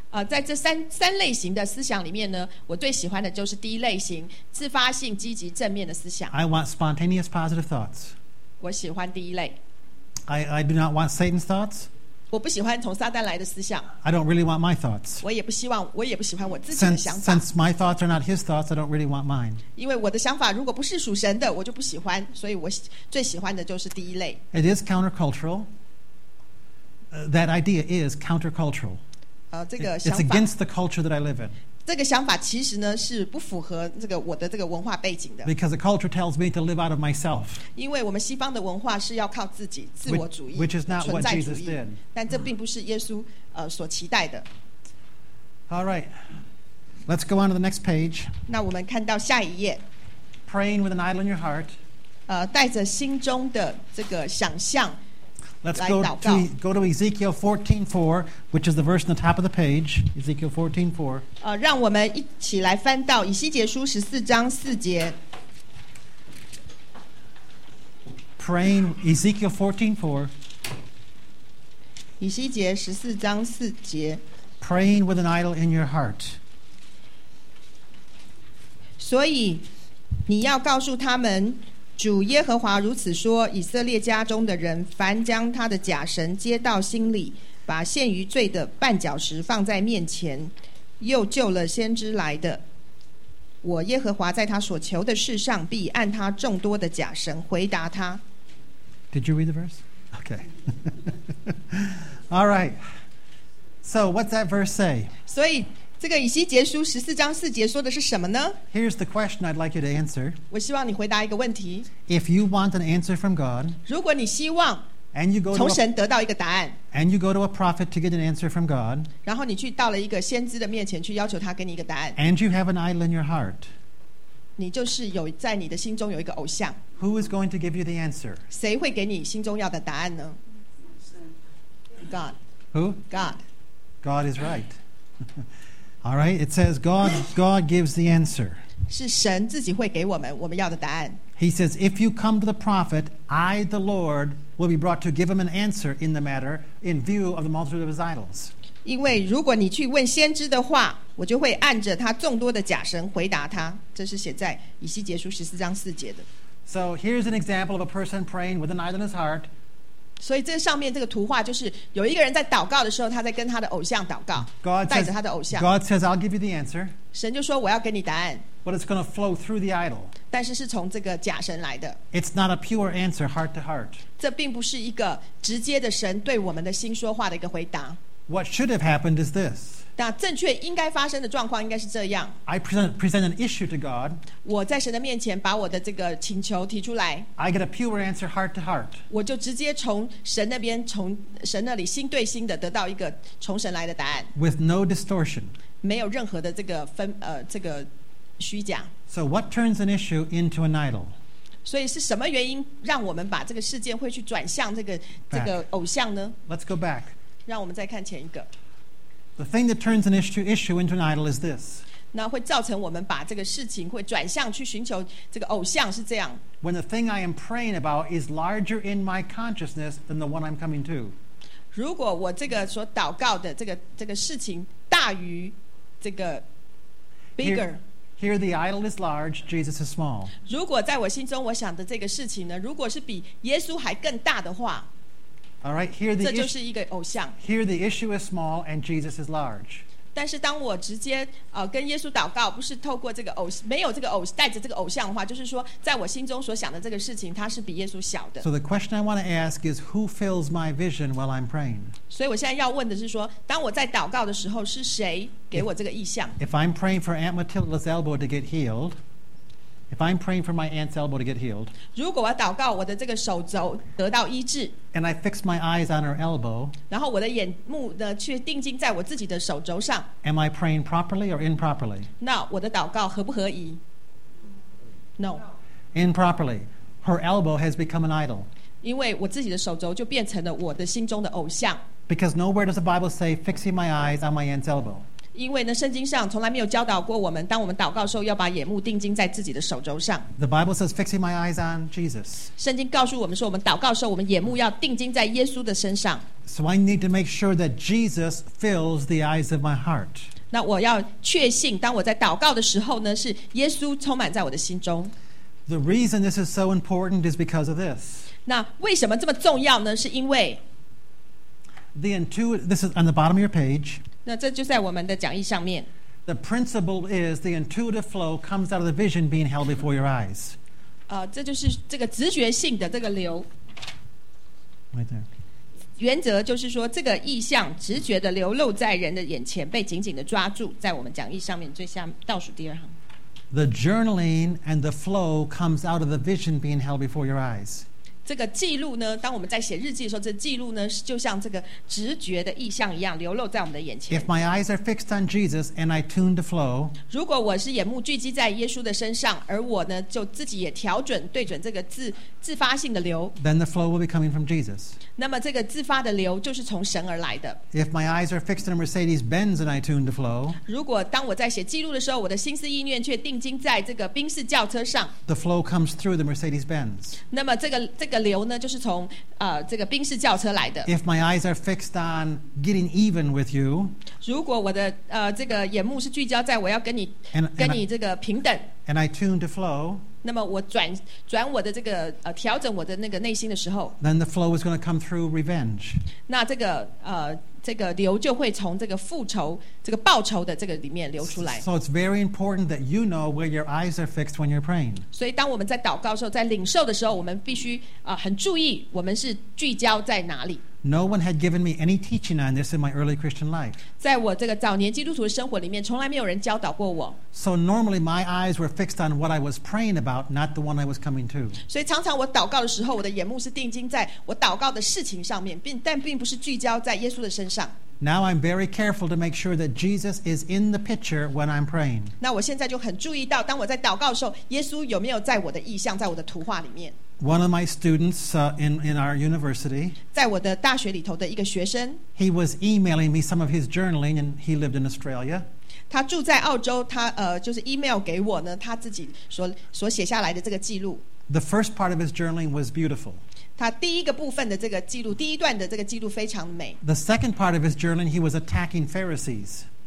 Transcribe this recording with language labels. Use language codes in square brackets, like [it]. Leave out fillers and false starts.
[zh] 在这三类型的思想里面呢，我最喜欢的就是第一类型，自发性积极正面的思想。 [en] I want spontaneous positive thoughts. [zh] 我喜欢第一类。 [en] I do not want Satan's thoughts. [zh] 我不喜欢从撒旦来的思想。 [en] I don't really want my thoughts. [zh] 我也不喜欢我自己的想法。 [en] Since my thoughts are not his thoughts, I don't really want mine. [zh] 因为我的想法如果不是属神的，我就不喜欢。所以我最喜欢的就是第一类。 [en] It is countercultural. That idea is countercultural. [zh] 这个想法。 [en] It's against the culture that I live in. [zh] 这个想法其实呢是不符合这个我的这个文化背景的。 [en] Because the culture tells me to live out of myself. [zh] 因为我们西方的文化是要靠自己，自我主义。 [en] Which is not what Jesus did. [zh] 但这并不是耶稣所期待的。 [en] All right, let's go on to the next page. [zh] 那我们看到下一页。 [en] praying with an idol in your heart. [zh] 带着心中的这个想象来祷告。 [en] Let's go to Ezekiel 14:4, which is the verse on the top of the page. Ezekiel 14:4. [zh] 让我们一起来翻到以西结书十四章四节。 [en] Praying Ezekiel 14:4. [zh] 以西结十四章四节。 [en] Praying with an idol in your heart. [zh] 所以你要告诉他们，主耶和华如此说：以色列家中的人，凡将他的假神接到心里，把陷于罪的绊脚石放在面前，又救了先知来的，我耶和华在他所求的事上，必按他众多的假神回答他。 [en] Did you read the verse? Okay. All right. So what's that verse say? [zh] 所以这个以西结书十四章四节说的是什么呢? [en] Here's the question I'd like you to answer. [zh] 我希望你回答一个问题。 [en] If you want an answer from God, [zh] 如果你希望从神得到一个答案, [en] and you go to a prophet to get an answer from God, [zh] 然后你去到了一个先知的面前去要求他给你一个答案, [en] and you have an idol in your heart, [zh] 你就是有在你的心中有一个偶像, [en] who is going to give you the answer? [zh] 谁会给你心中要的答案呢? [en] God. Who? God. God is right. All right, it says God gives the answer. [zh] 是神自己会给我们我们要的答案。 [en] He says, if you come to the prophet, I, the Lord, will be brought to give him an answer in the matter in view of the multitude of his idols. [zh] 因为如果你去问先知的话，我就会按着他众多的假神回答他。这是写在以西结书十四章四节的。 [en] So here's an example of a person praying with an idol in his heart. [zh] 所以这上面这个图画就是有一个人在祷告的时候，他在跟他的偶像祷告，带着他的偶像。 [en] God says, I'll give you the answer. [zh] 神就说我要给你答案。 [en] But it's going to flow through the idol. [zh] 但是是从这个假神来的。 [en] It's not a pure answer heart to heart. [zh] 这并不是一个直接的神对我们的心说话的一个回答。 [en] What should have happened is this. [zh] 那正确应该发生的状况应该是这样。 [en] I present an issue to God. [zh] 我在神的面前把我的这个请求提出来。 [en] I get a pure answer heart to heart. [zh] 我就直接从神那边，从神那里心对心的得到一个从神来的答案。 [en] With no distortion. [zh] 没有任何的这个分这个虚假。 [en] So what turns an issue into an idol? [zh] 所以是什么原因让我们把这个事件会去转向这个偶像呢？ [en] Let's go back. [zh] 让我们再看前一个。 [en] The thing that turns an issue into an idol is this. [zh] 那会造成我们把这个事情会转向去寻求这个偶像是这样。 [en] When the thing I am praying about is larger in my consciousness than the one I'm coming to. [zh] 如果我这个所祷告的这个事情大于这个 [en] bigger。 Here the idol is large, Jesus is small. [zh] 如果在我心中我想的这个事情呢，如果是比耶稣还更大的话， [en] All right, here the [zh] 这就是一个偶像。 [en] Here the issue is small and Jesus is large. [zh] 但是当我直接跟耶稣祷告，不是透过这个偶没有这个偶带着这个偶像的话，就是说在我心中所想的这个事情，它是比耶稣小的。 [en] So the question I want to ask is, who fills my vision while I'm praying? [zh] 所以我现在要问的是说，当我在祷告的时候，是谁？ [en] If I'm praying for Aunt Matilda's elbow to get healed, if I'm praying for my aunt's elbow to get healed, [zh] 如果我祷告我的这个手肘得到医治, [en] and I fix my eyes on her elbow, [zh] 然后我的眼目呢却定睛在我自己的手肘上, [en] am I praying properly or improperly? [zh] 那我的祷告合不合宜? [en] No. Improperly. Her elbow has become an idol. [zh] 因为我自己的手肘就变成了我的心中的偶像。 [en] Because nowhere does the Bible say fixing my eyes on my aunt's elbow. [zh] 因为呢，圣经上从来没有教导过我们，当我们祷告的时候，要把眼目定睛在自己的手肘上。 [en] The Bible says, "Fixing my eyes on Jesus." [zh] 圣经告诉我们说，我们祷告的时候，我们眼目要定睛在耶稣的身上。 [en] So I need to make sure that Jesus fills the eyes of my heart. [zh] 那我要确信，当我在祷告的时候呢，是耶稣充满在我的心中。 [en] The reason this is so important is because of this. [zh] 那为什么这么重要呢？是因为 [en] the intuitive. This is on the bottom of your page. [zh] 那这就在我们的讲义上面。 [en] The principle is the intuitive flow comes out of the vision being held before your eyes. [zh] 这就是这个直觉性的这个流。 [en] Right there. [zh] 原则就是说，这个意象直觉的流露在人的眼前，被紧紧的抓住，在我们讲义上面最下倒数第二行。 [en] The journaling and the flow comes out of the vision being held before your eyes. [zh] 这个记录呢，当我们在写日记的时候，这记录呢，就像这个直觉的意象一样，流露在我们的眼前。 [en] If my eyes are fixed on Jesus and I tune the flow, [zh] 如果我是眼目聚集在耶稣的身上，而我呢，就自己也调准对准这个自发性的流。 [en] Then the flow will be coming from Jesus. [zh] 那么这个自发的流就是从神而来的。 [en] If my eyes are fixed on Mercedes Benz and I tune the flow, [zh] 如果当我在写记录的时候，我的心思意念却定睛在这个宾士轿车上。 [en] The flow comes through the Mercedes Benz. [zh] 那么这个流呢，就是从这个宾士轿车来的。 [en] If my eyes are fixed on getting even with you, [zh] 如果我的这个眼目是聚焦在我要跟你 跟你这个平等。 [en] And I tune to flow. [zh] 那么我转我的这个调整我的那个内心的时候。 [en] Then the flow is going to come through revenge. [zh] 那这个流就会从这个复仇这个报仇的这个里面流出来。 [en] So it's very important that you know where your eyes are fixed when you're praying. [zh] 所以当我们在祷告的时候，在领受的时候，我们必须很注意我们是聚焦在哪里。 [en] No one had given me any teaching on this in my early Christian life. [zh] 在我这个早年基督徒的生活里面，从来没有人教导过我。 [en] So normally my eyes were fixed on what I was praying about, not the one I was coming to. [zh] 所以常常我祷告的时候，我的眼目是定睛在我祷告的事情上面，但并不是聚焦在耶稣的身上。 [en] Now I'm very careful to make sure that Jesus is in the picture when I'm praying. [zh] 那我现在就很注意到，当我在祷告的时候，耶稣有没有在我的意象，在我的图画里面。 [en] One of my students in our university, [zh] 在我的大学里头的一个学生, [en] he was emailing me some of his journaling, and he lived in Australia. [zh] 他住在澳洲, 他就是 email 给我呢, 他自己所写下来的这个记录。 [en] The first part of his journaling was beautiful. [zh] 他第一个部分的这个记录, 第一段的这个记录非常美。 [en] The second part of his journaling, he was attacking Pharisees.